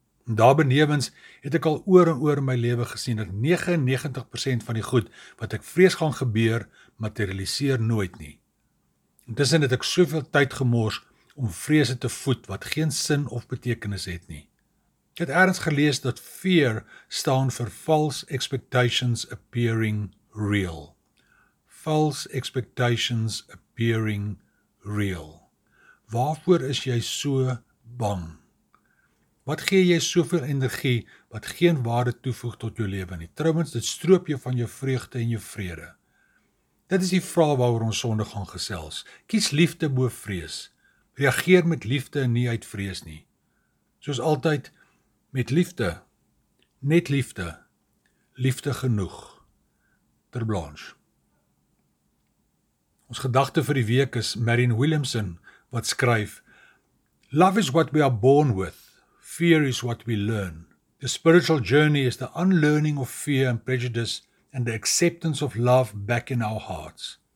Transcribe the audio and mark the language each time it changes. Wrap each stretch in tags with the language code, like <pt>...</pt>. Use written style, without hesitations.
<af>Daarbenewens het ek al oor en oor in my lewe gesien dat 99% van die goed wat ek vrees gaan gebeur, materialiseer nooit nie. Intussen het ek soveel tyd gemors om vrese te voed wat geen sin of betekenis het nie. Ek het ergens gelees dat fear staan vir</af> <en>false expectations appearing real. False expectations appearing real.</en> <af>Waarvoor is jy so bang? Wat gee jy soveel energie wat geen waarde toevoeg tot jou lewe nie? Trouwens, dit stroop jou van jou vreugde en jou vrede. Dit is die vraag waaroor ons sonde gaan gesels. Kies liefde bo vrees. Reageer met liefde en nie uit vrees nie. Soos altyd, met liefde, net liefde, liefde genoeg. ter Blanche. Ons gedagte vir die week is Marianne Williamson wat skryf,</af> <en>Love is what we are born with, fear is what we learn. The spiritual journey is the unlearning of fear and prejudice and the acceptance of love back in our hearts.</en>